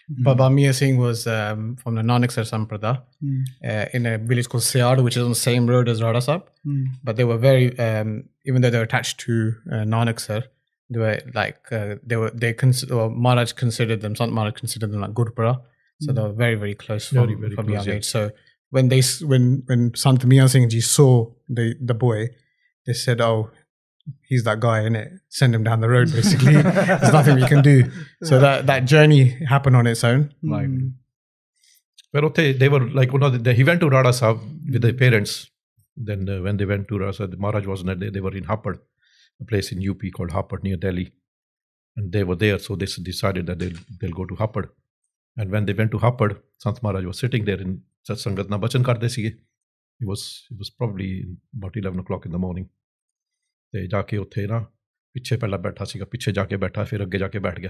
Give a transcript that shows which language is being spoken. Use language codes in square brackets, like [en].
[en] Baba Mian Singh was from the Nanaksar samprada in a village called Siar which is on same road as Rara Sahib, but they were very even though they were attached to Nanaksar, they were like they were the Maharaj considered them, Sant Maharaj considered them like Gurpura, so they were very very close from young age. So when they when Sant Mian Singh ji so the boy, they said oh he's that guy, isn't it, send him down the road basically. There's nothing we can do, so yeah. that journey happened on its own, like but they were like one of the, he went to Rada Sahib with their parents, then when they went to Rada Sahib, the Maharaj wasn't there, they were in Hapur, a place in UP called Hapur near Delhi, and they were there, so they decided that they'll go to Hapur, and when they went to Hapur, Sant Maharaj was sitting there in [pa] satsangat na bachan karde sige, [en] it was probably about 11 o'clock in the morning. [pa] ਅਤੇ ਜਾ ਕੇ ਉੱਥੇ ਨਾ ਪਿੱਛੇ ਪਹਿਲਾਂ ਬੈਠਾ ਸੀਗਾ, ਪਿੱਛੇ ਜਾ ਕੇ ਬੈਠਾ, ਫਿਰ ਅੱਗੇ ਜਾ ਕੇ ਬੈਠ ਗਿਆ।